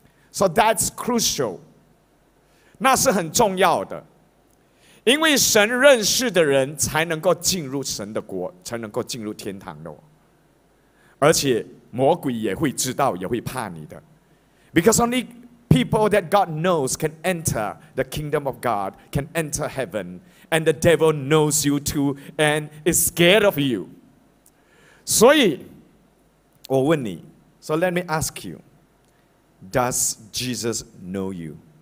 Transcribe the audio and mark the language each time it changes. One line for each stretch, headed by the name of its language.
English: So that's crucial.
Chinese: 那是很重要的。因为神认识的人才能够进入神的国，才能够进入天堂的。而且魔鬼也会知道，也会怕你的。
English: Because only people that God knows can enter the kingdom of God, can enter heaven, and the devil knows you too and is scared of you.
Chinese: 所以我问你
English: So let me ask you Does Jesus know you?